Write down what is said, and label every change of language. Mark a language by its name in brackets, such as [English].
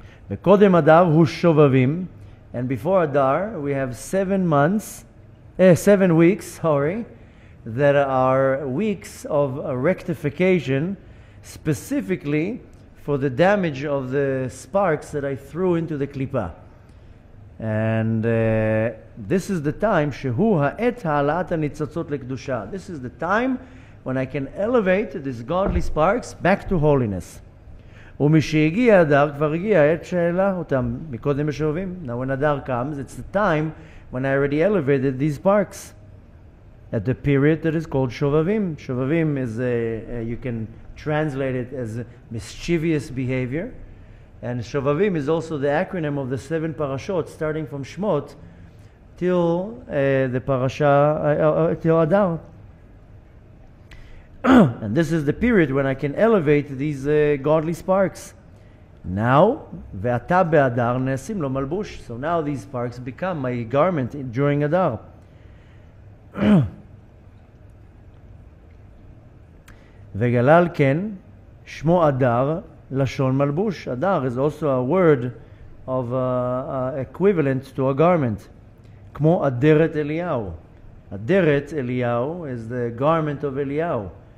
[Hebrew] וקודם אדר הוא שובבים, [English] and before Adar, we have 7 months, 7 weeks, sorry, that are weeks of rectification, specifically for the damage of the sparks that I threw into the klipa. And this is the time, [Hebrew] שהוא העת העלאת הניצצות לקדושה. [English] This is the time when I can elevate these godly sparks back to holiness. [Hebrew] ומשהגיע אדר, כבר הגיע העת שהעלה אותם מקודם השאובים. [English] Now when Adar comes, it's the time when I already elevated these sparks at the period that is called Shovavim. Shovavim is you can translate it as mischievous behavior. And Shovavim is also the acronym of the 7 parashot, starting from Shmot till the parasha, till Adar. And this is the period when I can elevate these godly sparks. [Hebrew] Now, ועתה באדר נעשים לו מלבוש. [English] So now these sparks become my garment during Adar. [Hebrew] וגלל כן, שמו אדר לשון מלבוש. [English] אדר is also a word of equivalent to a garment. [Hebrew] כמו אדרת אליהו. אדרת אליהו [English] is the garment of [Hebrew] אליהו.